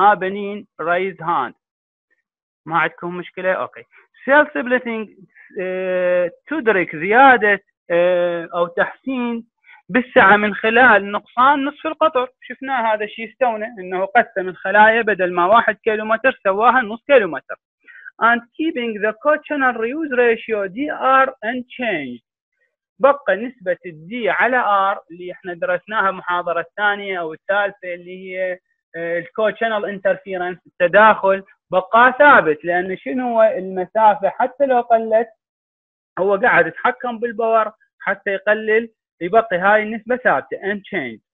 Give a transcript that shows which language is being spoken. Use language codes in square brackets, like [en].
[ar] ها بنين رايزد هاند ما عندكم مشكلة؟ اوكي سيل سبلتينج تدرك زيادة او تحسين بالسعة من خلال نقصان نصف القطر. شفنا هذا الشيء استونه انه قسم الخلايا بدل ما 1 كيلومتر سواها نص كيلومتر. [en] And keeping the co-channel reuse ratio DR unchanged. [ar] بقى نسبة الدي على R اللي احنا درسناها محاضرة الثانية او الثالثة اللي هي [en] co-channel interference [ar] التداخل بقى ثابت، لان شنو المسافة حتى لو قلت هو قاعد يتحكم بالباور حتى يقلل، يبقي هاي النسبة ثابتة unchanged.